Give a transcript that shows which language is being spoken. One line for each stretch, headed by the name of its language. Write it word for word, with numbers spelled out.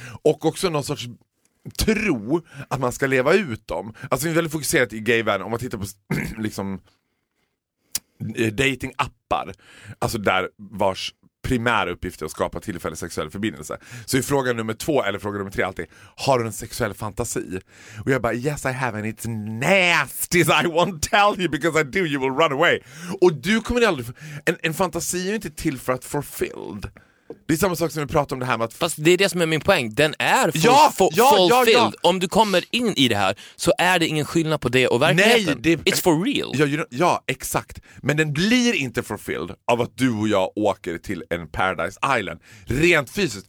Swedish: Och också någon sorts tro att man ska leva ut dem. Alltså det är väldigt fokuserat i gayvärlden om man tittar på liksom dating-appar. Alltså där vars primära uppgift är att skapa tillfällig sexuell förbindelse. Så i fråga nummer två eller fråga nummer tre alltid, har du en sexuell fantasi? Och jag bara,
English: yes I have and it's nasty as I won't tell you because I do, you will run away.
Swedish: Och du kommer aldrig, en, en fantasi är ju inte till för att fulfilled. Det är samma sak som vi pratar om det här med att... Fast det är det som är min poäng, den är full, ja, full, ja, ja,
English: fulfilled.
Swedish: Ja. Om du kommer in i det här så är det ingen skillnad på det och verkligheten. Nej, det,
English: it's for real.
Swedish: Ja,
English: you know,
Swedish: ja, exakt. Men den blir inte fulfilled av att du och jag åker till en Paradise Island. Rent fysiskt.